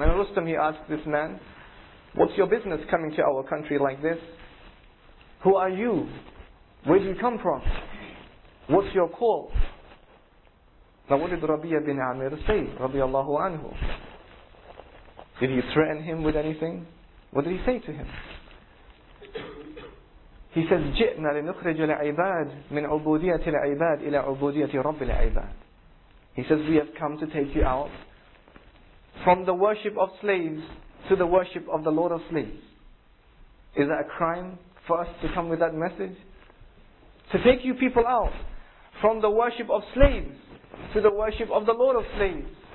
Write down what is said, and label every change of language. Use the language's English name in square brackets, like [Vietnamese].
[English] And Rustam, he asked this man, what's your business coming to our country like this? Who are you? Where do you come from? What's your call? Now what did Rabi' bin Amir say? رضي الله عنه. Did he threaten him with anything? What did he say to him? He says, [Arabic] جِئْنَا لِنُخْرِجَ الْعِبَادِ مِنْ عُبُودِيَةِ الْعِبَادِ إِلَى عُبُودِيَةِ رَبِّ الْعِبَادِ. [English] He says, we have come to take you out from the worship of slaves to the worship of the Lord of slaves. Is that a crime for us to come with that message? To take you people out from the worship of slaves to the worship of the Lord of slaves.